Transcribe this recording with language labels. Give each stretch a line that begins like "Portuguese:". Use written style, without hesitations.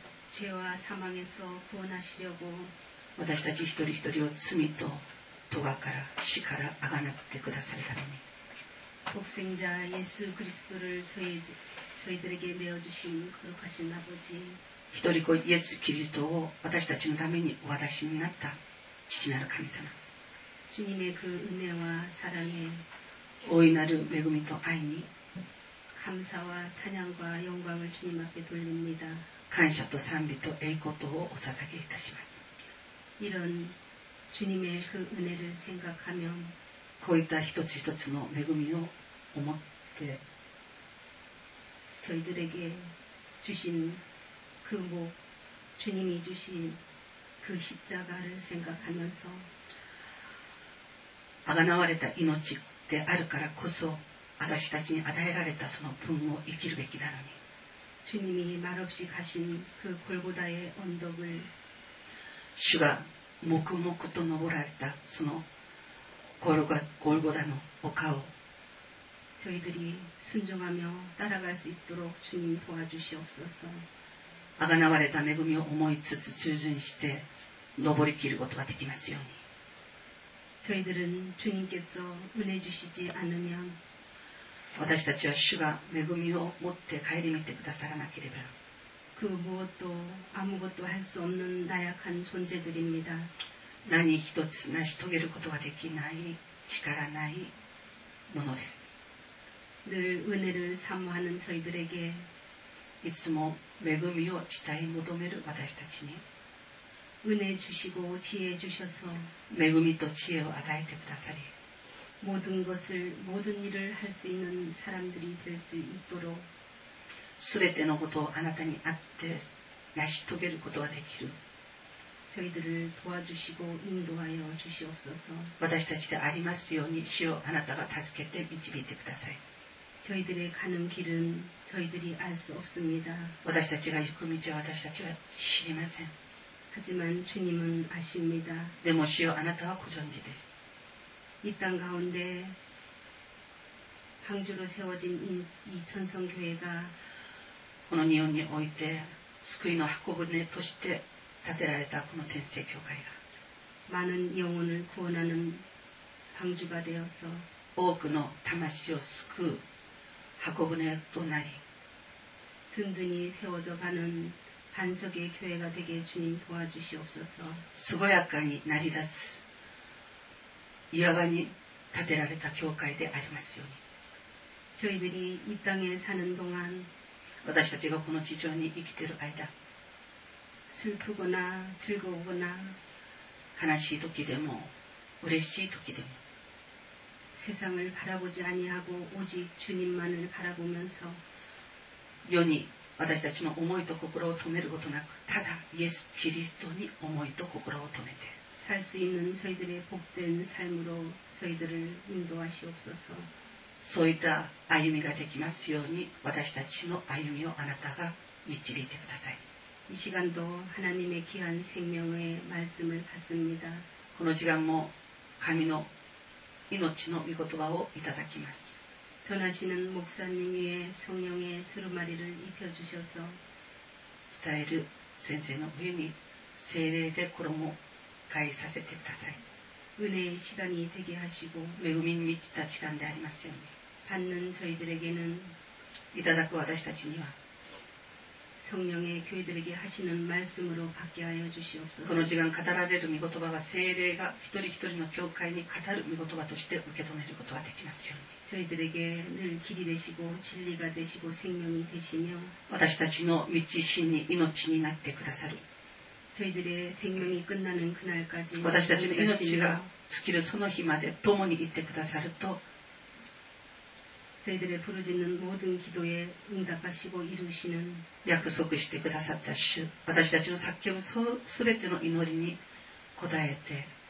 Korean: 저희들을죄와사망에서구원하시려고
Japanese: 私たち一人一人を罪と咎から死からあがなってくださるために
Korean: 복생자예수그리스도를저희들에게내어주신거룩하신아버지
Japanese: 一人子イエス・キリストを私たちのためにお渡しになった父なる神様、
Korean: 주님의그은혜와사랑에
Japanese: 大いなる恵みと愛に
Korean: 감사와찬양과영광을주님앞에돌립니다
Japanese: 感謝と賛美と栄光とをお捧げいたします。
Korean: 이런주님의그은혜를생각하면
Japanese: こういった一つ一つの恵みを思って
Korean: 저희들에게주신그목주님이주신그십자가를생각하면서
Japanese: 아가나와れた命であるからこそ私たちに与えられたその分を生きるべきなのに
Korean: 주님이말없이가신그골고다의언덕을
Japanese: 主が黙々と登られたそのゴルゴダの丘を
Korean: 저희들이순종하며따라갈수있도록주님도와주시옵소서
Japanese: あがなわれた恵みを思いつつ従順して登り切ることができますように。
Korean: 저희들은주님께서은혜주시지않으면
Japanese: 私たちは主が恵みを持って帰り見てくださらなければ
Korean: 그무엇도아무것도할수없는나약한존재들입니다
Japanese: 何一つ成し遂げることができない力ないものです。
Korean: 늘은혜를사모하는저희들에게
Japanese: いつも恵みを慕い求める私たちに
Korean: 은혜주시고지혜주셔서
Japanese: 恵みと
Korean: 지혜
Japanese: を与えてくださり
Korean: 모든것을모든일을할수있는사람들이될수있도록
Japanese: すべてのことをあなたにあって成し遂げることができる
Korean: 저희들을도와주시고인도하여주시옵소서
Japanese: 私たちでありますように主よあなたが助けて導いてください。
Korean: 저희들의가는길은저희들이알수없습니다
Japanese: 私たちが行く道は私たちは知りません
Korean: 하지만주님은아십니다
Japanese: でも主よあなたはご存知です。
Korean: 이땅가운데방주로세워진 이천성교회가
Japanese: この日本において救いの箱舟として建てられたこの天聖教会が
Korean: 많은영혼을구원하는방주가되어서
Japanese: 多くの魂を救う箱舟となり
Korean: 든든히세워져가는반석의교회가되게주님도와주시옵소서
Japanese: すごやかになり立つ岩場に建てられた教会でありますように
Korean: 저희들이이땅에사는동안
Japanese: 私たちがこの地上に生きている間
Korean: 슬프거나즐거우거나
Japanese: 悲しい時でも嬉しい時でも
Korean: 세상을바라보지아니하고오직주님만을바라보면서
Japanese: 世に私たちの思いと心を止めることなくただイエス・キリストに思いと心を止めて
Korean: 살수있는저희들의복된삶으로저희들을인도하시옵소서
Japanese: そういった歩みができますように私たちの歩みをあなたが導いてください。
Korean: 이시간도하나님의귀한생명의말씀을받습니다
Japanese: この時間も神の命の御言葉をいただきます。
Korean: 전하시는목사님위에성령의두루마리를입혀주셔서
Japanese: 伝える先生の上に聖霊で衣を替えさせてください。
Korean: 은혜의시간이되게하시고
Japanese: 恵みに満ちた時間でありますように
Korean: 받는저희들에게는
Japanese: いただく私たちには
Korean: 성령의교회들에게하시는말씀으로받게하여주시옵소서
Japanese: この時間語られる御言葉は聖霊が一人一人の教会に語る御言葉として受け止めることができますように
Korean: 저희들에게늘길이되시고진리가되시고생명이되시며
Japanese: 私たちの道真理命になってくださる
Korean: 저희들의생명이끝나는그날까지
Japanese: 私たちの命が尽きるその日まで共にいてくださると
Korean: 저희들의부르짖는모든기도에응답하시고이루시는 약속
Japanese: してくださった主私たちの叫ぶすべての祈りに応えて